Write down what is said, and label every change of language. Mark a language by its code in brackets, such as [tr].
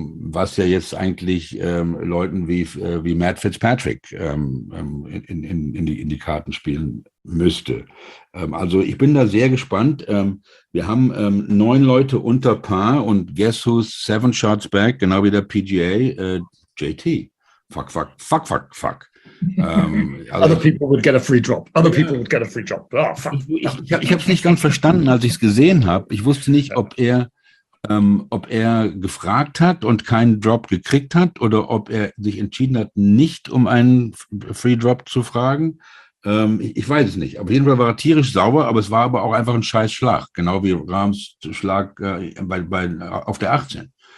[de] Was ja jetzt eigentlich Leuten wie Matt Fitzpatrick in die Karten spielen müsste. Also ich bin da sehr gespannt. Wir haben 9 Leute unter Paar und [en] guess who's 7 shots back, [de] genau wie der PGA, JT. [en] Fuck, fuck, fuck, fuck, fuck. Other people would get a free drop. Other people would get a free drop. Oh, fuck. [de] Ich habe es nicht ganz verstanden, als ich es gesehen habe. Ich wusste nicht, ob er gefragt hat und keinen Drop gekriegt hat oder ob er sich entschieden hat, nicht um einen Free Drop zu fragen. Ich weiß es nicht. Auf jeden Fall war er tierisch sauer, aber es war aber auch einfach ein scheiß Schlag, genau wie Rahms Schlag auf der 18.